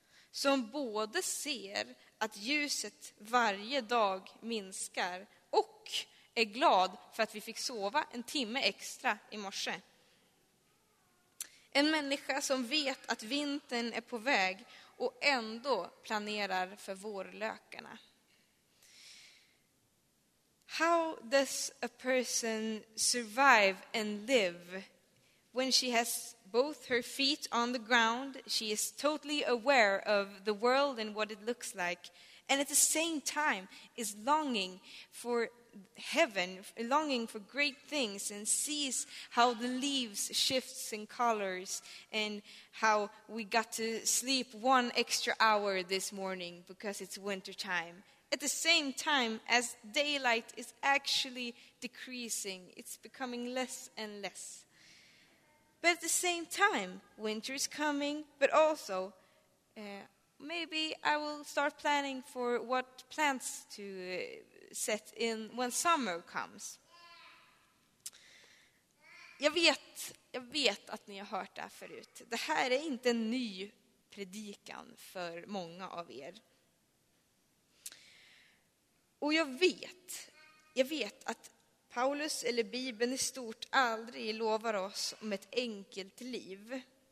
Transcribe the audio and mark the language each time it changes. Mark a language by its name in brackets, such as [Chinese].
[Swedish] Som både ser att ljuset varje dag minskar och är glad för att vi fick sova en timme extra i morse. En människa som vet att vintern är på väg och ändå planerar för vårlökarna. [English] How does a person survive and live when she has both her feet on the ground, she is totally aware of the world and what it looks like, and at the same time is longing for heaven, longing for great things, and sees how the leaves shifts in colors and how we got to sleep one extra hour this morning because it's winter time. At the same time as daylight is actually decreasing, it's becoming less and less. But at the same time, winter is coming, but also maybe I will start planning for what plants to set in when summer comes. [Swedish] Jag vet att ni har hört det här förut. Det här är inte en ny predikan för många av er. Och jag vet att Paulus eller Bibeln i stort aldrig lovar oss om ett enkelt liv.